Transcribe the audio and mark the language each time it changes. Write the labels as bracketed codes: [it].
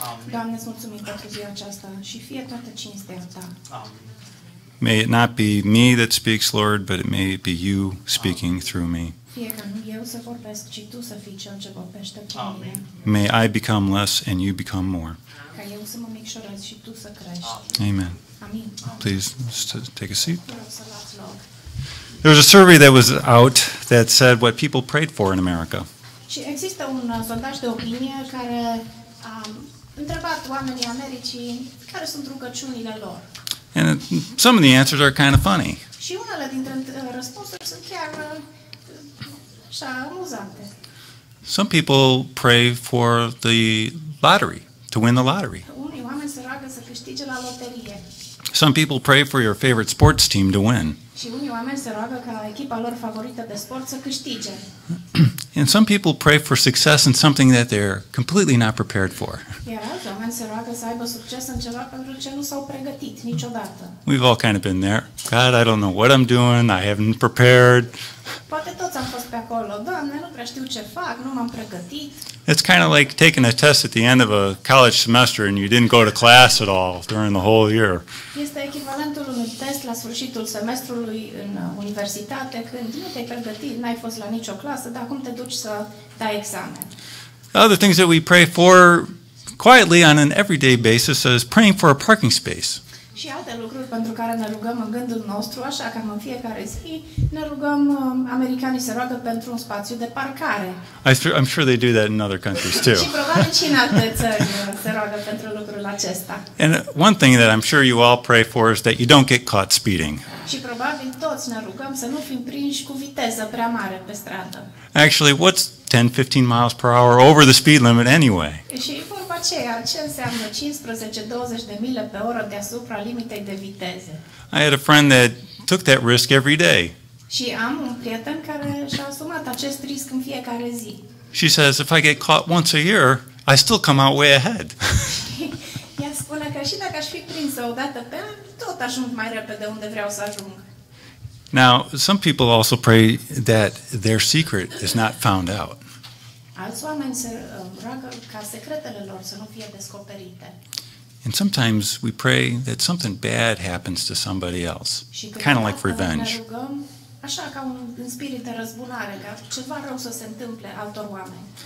[ro] Doamne, îți mulțumim pentru ziua aceasta și fie toată cinstea ta. [en] May it not be me that speaks, Lord, but it may be you speaking through me. [ro] Fie ca nu eu să vorbesc, ci tu să fii cel ce vorbește prin mine. [en] May I become less and you become more. [ro] Ca eu să mă micșorez și tu să crești. [en] Amen. [ro] Amin. [en] Please take a seat. There was a survey that was out that said what people prayed for in America. [ro] Și există un sondaj de opinie care întrebat oamenii Americii care sunt rugăciunile lor. [en] And some of the answers are kind of funny. [ro] Și unele dintre răspunsuri sunt chiar așa amuzante. [en] Some people pray for the lottery, to win the lottery. [ro] Unii oameni se roagă să câștige la loterie. [en] Some people pray for your favorite sports team to win. [ro] Și unii oameni se roagă ca echipa lor favorită de sport să câștige. [en] And some people pray for success in something that they're completely not prepared for. Yeah, [ro] ani se roagă să aibă succes în ceva pentru ce nu s-au pregătit niciodată. [en] We've all kind of been there. God, I don't know what I'm doing. I haven't prepared. [ro] Poate toți am fost pe acolo. Doamne, nu prea știu ce fac, nu m-am pregătit. [en] It's kind of like taking a test at the end of a college semester and you didn't go to class at all during the whole year. [ro] Este echivalentul unui test la sfârșitul semestrului în universitate când nu te-ai pregătit, n-ai fost la nicio clasă, dar cum te duci să dai examen? [en] Other things that we pray for quietly on an everyday basis is praying for a parking space. [ro] Și alte lucruri pentru care ne rugăm în gândul nostru, așa cam în fiecare zi, ne rugăm, americanii se roagă pentru un spațiu de parcare. [en] I'm sure they do that in other countries too. [ro] Și probabil și în alte țări se roagă pentru lucrul acesta. [en] And one thing that I'm sure you all pray for is that you don't get caught speeding. [ro] Și probabil toți ne rugăm să nu fim prinși cu viteză prea mare pe stradă. [en] Actually, what's 10-15 miles per hour over the speed limit anyway? [ro] Și e vorba aceea, ce înseamnă 15-20 de mile pe oră deasupra limitei de viteză? [en] I had a friend that took that risk every day. [ro] Și am un prieten care și-a asumat acest risc în fiecare zi. [en] She says, if I get caught once a year, I still come out way ahead. [ro] Ea spune că și dacă aș fi prinsă o dată pe an, tot ajung mai repede unde vreau să ajung. [en] Now, some people also pray that their secret is not found out. [ro] Alți oameni se roagă ca secretele lor să nu fie descoperite. [en] And sometimes we pray that something bad happens to somebody else, kind of like revenge. [ro] Așa ca un spirit de răzbunare, ca ceva rău să se întâmple altor oameni.